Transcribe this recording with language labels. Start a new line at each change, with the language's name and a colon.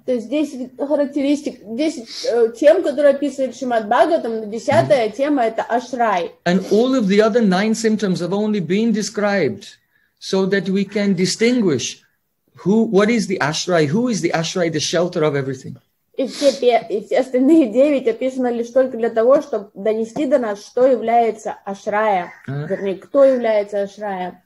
Russian: То есть здесь характеристик, здесь тем, который описывает Шримад Бхагаватам, десятая тема это ашрай.
English: And all of the other 9 symptoms have only been described so that we can distinguish who, what is the ashray, who is the ashray, the shelter of everything.
Russian: И все остальные 9 описаны лишь только для того, чтобы донести до нас, что является ашрая, вернее, кто является ашрая.